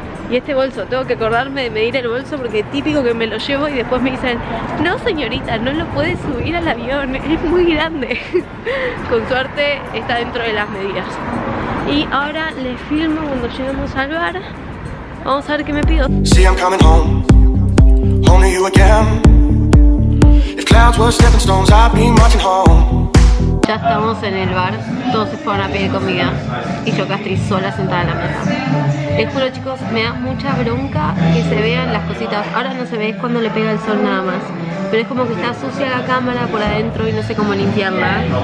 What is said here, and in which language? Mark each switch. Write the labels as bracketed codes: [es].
[es] Y este bolso, tengo que acordarme de medir el bolso porque es típico que me lo llevo y después me dicen, no señorita, no lo puedes subir al avión, es muy grande. Con suerte está dentro de las medidas. Y ahora les filmo cuando lleguemos al bar. Vamos a ver qué me pido. [en] See, I'm coming home, home to you again. If clouds were stepping stones, I'd be marching home. [es] Ya estamos en el bar, todos se fueron a pedir comida y yo acá estoy sola sentada en la mesa. Les juro chicos, me da mucha bronca que se vean las cositas. Ahora no se ve, es cuando le pega el sol nada más. Pero es como que está sucia la cámara por adentro y no sé cómo limpiarla.